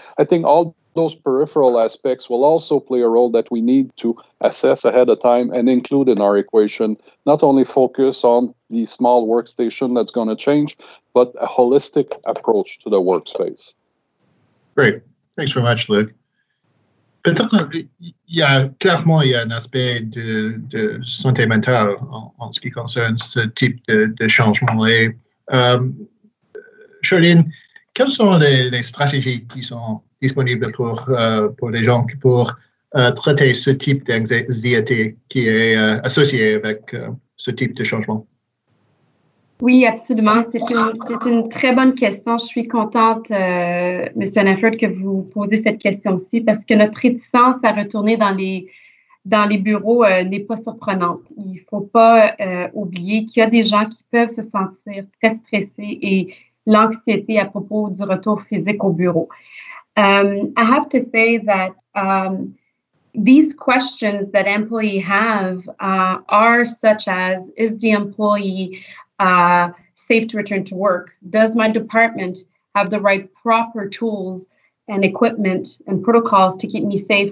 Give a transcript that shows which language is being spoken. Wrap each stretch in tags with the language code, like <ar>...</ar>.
<en>I think all those peripheral aspects will also play a role that we need to assess ahead of time and include in our equation, not only focus on the small workstation that's going to change, but a holistic approach to the workspace. Great. Thanks very much, Luc.</en> <fr>Peut-être qu'il y a clairement il y a un aspect de santé mentale en ce qui concerne ce type de changement. Et Charline, quelles sont les stratégies qui sont disponibles pour les gens pour traiter ce type d'anxiété qui est associé avec ce type de changement? Oui, absolument. C'est une très bonne question. Je suis contente, Monsieur Nefford, que vous posez cette question-ci parce que notre réticence à retourner dans les bureaux n'est pas surprenante. Il ne faut pas oublier qu'il y a des gens qui peuvent se sentir très stressés et l'anxiété à propos du retour physique au bureau.</fr> <en>I have to say that these questions that employees have are such as, is the employee safe to return to work? Does my department have the right proper tools and equipment and protocols to keep me safe?</en>